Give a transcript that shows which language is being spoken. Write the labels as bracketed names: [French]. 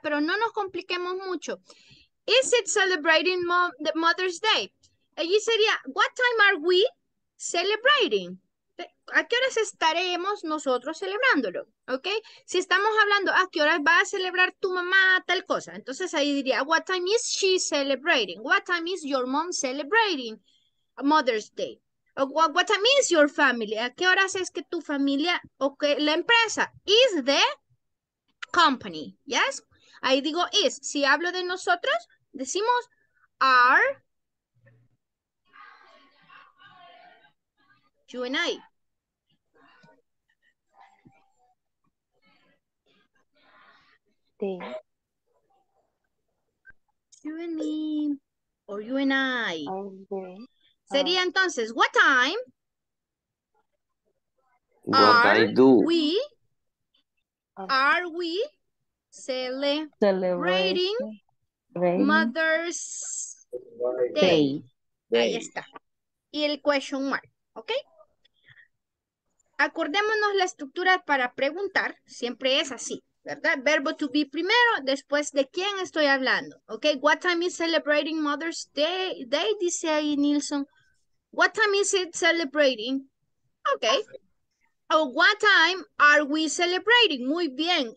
[Spanish] Pero no nos compliquemos mucho. [English] Is it celebrating Mother's Day? [Spanish] Allí sería, [English] what time are we celebrating? [Spanish] ¿A qué horas estaremos nosotros celebrándolo? ¿Ok? Si estamos hablando, ¿a qué horas va a celebrar tu mamá tal cosa? Entonces ahí diría, [English] what time is she celebrating? What time is your mom celebrating Mother's Day? What time is your family? [Spanish] ¿A qué horas es que tu familia o que la empresa? [English] Is the company, yes? [Spanish] Ahí digo [English] is. [Spanish] Si hablo de nosotros, decimos [English] are you and I. [Spanish] Sí. [English] You and me, or you and I. Okay. [Spanish] Sería entonces, [English] what time are we celebrating Mother's Day? [Spanish] Ahí está. Y el [English] question mark, [Spanish] ¿ok? Acordémonos la estructura para preguntar, siempre es así, ¿verdad? Verbo to be primero, después de quién estoy hablando, ¿ok? [English] What time is celebrating Mother's Day? [Spanish] Dice ahí [English] Nilsson. What time is it celebrating? Okay. Oh, what time are we celebrating? [Spanish] Muy bien.